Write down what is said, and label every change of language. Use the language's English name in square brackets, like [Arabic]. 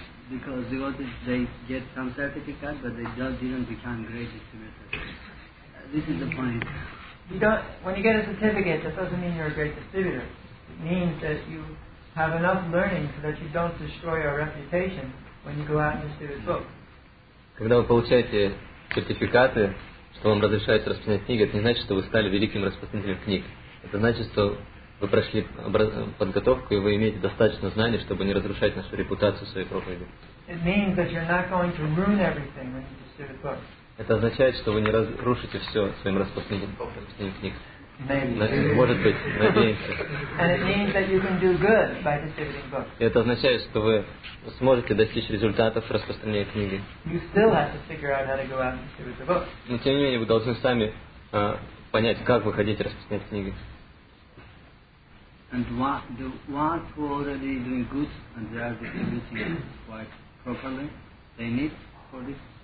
[English] Because devotees, they get some certificate, but they just didn't become great distributors. This is the point. When you get a certificate, that doesn't mean you're a great distributor. It means that you have enough learning so that you don't destroy your reputation when you go out and distribute books. [Russian] Когда вы получаете сертификаты, что вам разрешают распространять книги, это не значит, что вы стали великим распространителем книг. Это значит, что вы прошли подготовку, и вы имеете достаточно знаний, чтобы не разрушать нашу репутацию своей проповеди. Это означает, что вы не разрушите все своим распространителем книг. Может быть, надеемся. И это означает, что вы сможете достичь результатов распространения книги. Но тем не менее, вы должны сами понять, как вы хотите распространять книги. [English] And the ones who are already doing good and they are distributing quite properly, they need for this?